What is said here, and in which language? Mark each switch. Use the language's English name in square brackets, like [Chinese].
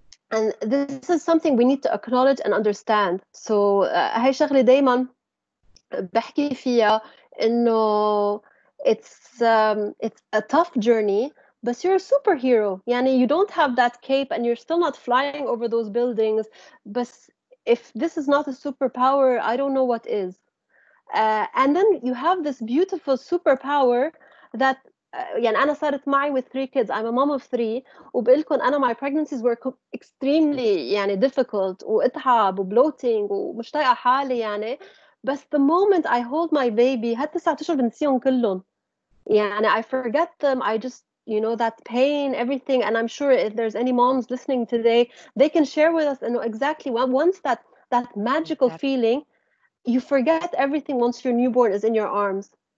[English] And this is something we need to acknowledge and understand. So [Arabic] هاي شغلة دايما بحكي فيها إنه [English] it's a tough journey, but you're a superhero. [Arabic] يعني [English] you don't have that cape and you're still not flying over those buildings. But if this is not a superpower, I don't know what is. And then you have this beautiful superpower that [Arabic] يعني أنا صارت معي [English] with three kids. I'm a mom of three. [Arabic] وبقلكن أنا [English] my pregnancies were extremely [Arabic] يعني [English] difficult [Arabic] وإتعب وبلوتينج ومش طايقة حالي يعني. [English] But the moment I hold my baby, [Arabic] حتى ساعت شو بنسيهم كلهم. يعني [English] I forget them. I just, you know, that pain, everything. And I'm sure if there's any moms listening today, they can share with us, you know, exactly what, once that magical feeling, you forget everything once your newborn is in your arms.